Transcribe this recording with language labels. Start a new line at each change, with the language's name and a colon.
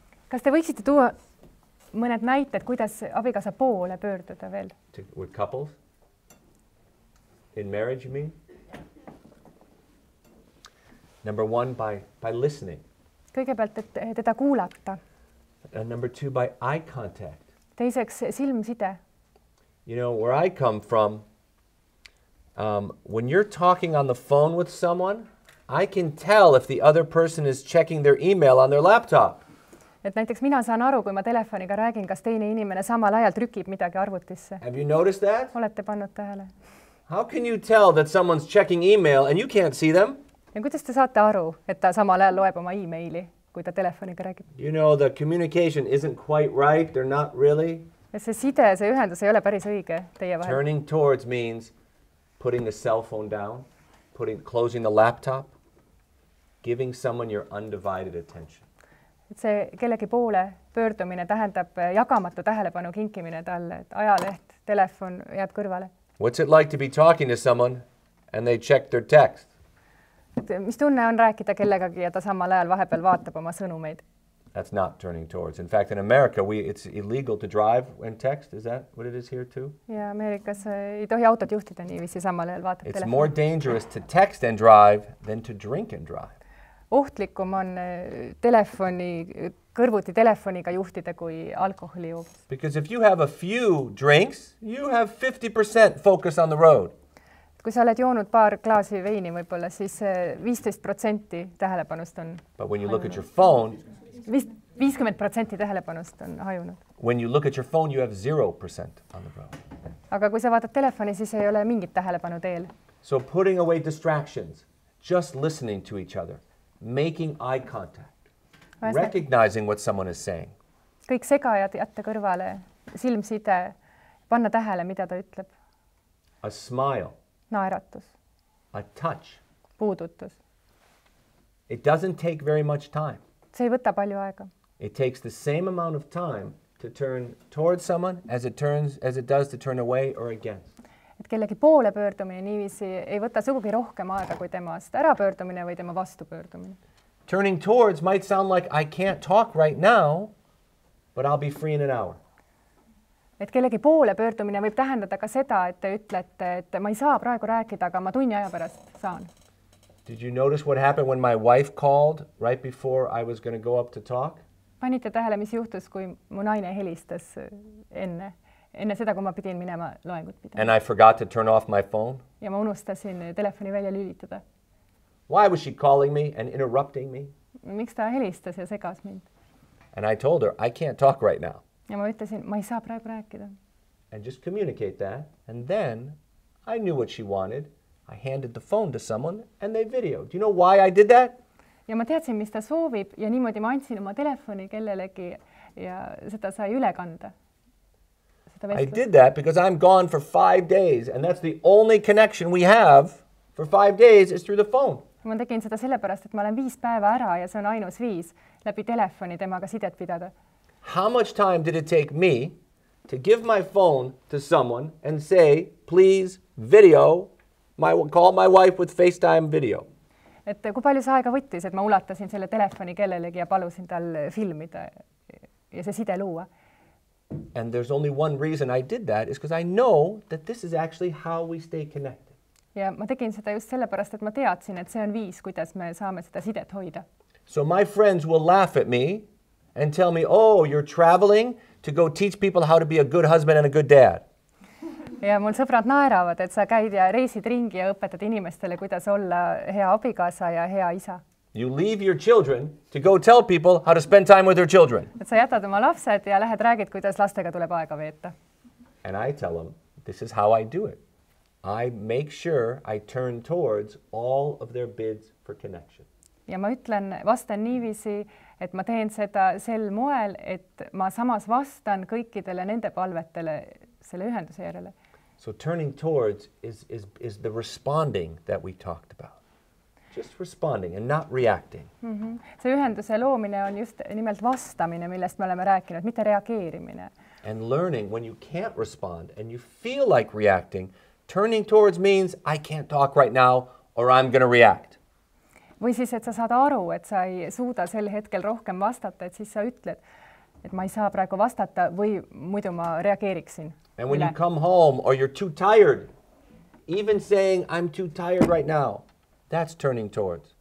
Estonian: Kas te võiksite tuua mõned näited, kuidas abikaasa poole pöörduda veel?
English: With couples? In marriage, you mean? Number one, by listening.
Estonian: Kõigepealt, et teda kuulata.
English: And number two, by eye contact.
Estonian: Teiseks, silmside.
English: You know, where I come from, when you're talking on the phone with someone, I can tell if the other person is checking their email on their laptop.
Estonian: Et näiteks mina saan aru, kui ma telefoniga räägin, kas teine inimene samal ajal trükib midagi arvutisse.
English: Have you noticed that?
Estonian: Olete pannud tähele.
English: How can you tell that someone's checking email and you can't see them?
Estonian: Ja kuidas te saate aru, et ta samal ajal loeb oma e-maili, kui ta telefoniga räägib?
English: You know, the communication isn't quite right, they're not really.
Estonian: Ja see side, see ühendus ei ole päris õige teie vahel.
English: Turning towards means putting the cell phone down, closing the laptop, giving someone your undivided attention.
Estonian: Et see kellegi poole pöördumine tähendab jagamatu tähelepanu kinkimine talle, et ajaleht, telefon jääb kõrvale.
English: What's it like to be talking to someone and they check their text?
Estonian: Et mis tunne on rääkida kellegagi ja ta samal ajal vahepeal vaatab oma sõnumeid?
English: That's not turning towards. In fact, in America, it's illegal to drive and text. Is that what it is here too?
Estonian: Ja Ameerikas ei tohi autot juhtida nii, visi samal ajal vaatab telefon.
English: It's more dangerous to text and drive than to drink and drive.
Estonian: Ohtlikum on telefoni, kõrvuti telefoniga juhtida kui alkoholi juhtida.
English: Because if you have a few drinks, you have 50% focus on the road.
Estonian: Kui sa oled joonud paar klaasi veini võibolla, siis 15% tähelepanust on hajunud.
English: But when you look at your phone,
Estonian: 50% tähelepanust on hajunud.
English: When you look at your phone, you have 0% on the road.
Estonian: Aga kui sa vaatad telefoni, siis ei ole mingit tähelepanu teel.
English: So putting away distractions, just listening to each other. Making eye contact, recognizing what someone is saying.
Estonian: Kõik segajad jätta kõrvale, silmside, panna tähele, mida ta ütleb.
English: A smile.
Estonian: Naeratus.
English: A touch.
Estonian: Puudutus.
English: It doesn't take very much time.
Estonian: See ei võta palju aega.
English: It takes the same amount of time to turn towards someone as it does to turn away or against.
Estonian: Et kellegi poole pöördumine niivisi ei võta sugugi rohkem aega kui temast ära pöördumine või tema vastu pöördumine.
English: Turning towards might sound like I can't talk right now, but I'll be free in an hour.
Estonian: Et kellegi poole pöördumine võib tähendada ka seda, et te ütlete, et ma ei saa praegu rääkida, aga ma tunni aja pärast saan.
English: Did you notice what happened when my wife called right before I was going to go up to talk?
Estonian: Panite tähele, mis juhtus, kui mu naine helistas enne? Enne seda, kui ma pidin minema loengut pidama.
English: And I forgot to turn off my phone.
Estonian: Ja ma unustasin telefoni välja lülitada.
English: Why was she calling me and interrupting me?
Estonian: Miks ta helistas ja segas mind?
English: And I told her, I can't talk right now.
Estonian: Ja ma ütlesin, ma ei saa praegu rääkida.
English: And just communicate that. And then I knew what she wanted. I handed the phone to someone and they videoed. Do you know why I did that?
Estonian: Ja ma teadsin, mis ta soovib. Ja niimoodi ma andsin oma telefoni kellelegi ja seda sai üle kanda.
English: I did that because I'm gone for 5 days and that's the only connection we have for 5 days is through the phone.
Estonian: Ma tegin seda sellepärast, et ma olen 5 päeva ära ja see on ainus viis läbi telefoni temaga sidet pidada.
English: How much time did it take me to give my phone to someone and say, please video, call my wife with FaceTime video?
Estonian: Et kui palju see aega võttis, et ma ulatasin selle telefoni kellelegi ja palusin tal filmida ja see side luua?
English: And there's only one reason I did that is because I know that this is actually how we stay connected.
Estonian: Ja ma tegin seda just sellepärast, et ma teadsin, et see on viis, kuidas me saame seda sidet hoida.
English: So my friends will laugh at me and tell me, oh, you're traveling to go teach people how to be a good husband and a good dad.
Estonian: Ja mul sõbrad naeravad, et sa käid ja reisid ringi ja õpetad inimestele, kuidas olla hea abikaasa ja hea isa.
English: You leave your children to go tell people how to spend time with their children.
Estonian: Et sa jätad oma lapsed ja lähed räägid, kuidas lastega tuleb aega veeta.
English: And I tell them, this is how I do it. I make sure I turn towards all of their bids for connection.
Estonian: Ja ma ütlen, vastan niiviisi, et ma teen seda sel moel, et ma samas vastan kõikidele nende palvetele selle ühenduse järele.
English: So turning towards is the responding that we talked about. Just responding and not reacting.
Estonian: Mm-hmm. See ühenduse loomine on just nimelt vastamine, millest me oleme rääkinud, mitte reageerimine.
English: And learning when you can't respond and you feel like reacting, turning towards means I can't talk right now or I'm going to react.
Estonian: Või siis, et sa saad aru, et sa ei suuda sel hetkel rohkem vastata, et siis sa ütled, et ma ei saa praegu vastata või muidu ma reageeriksin.
English: And when you come home or you're too tired, even saying I'm too tired right now, that's turning towards.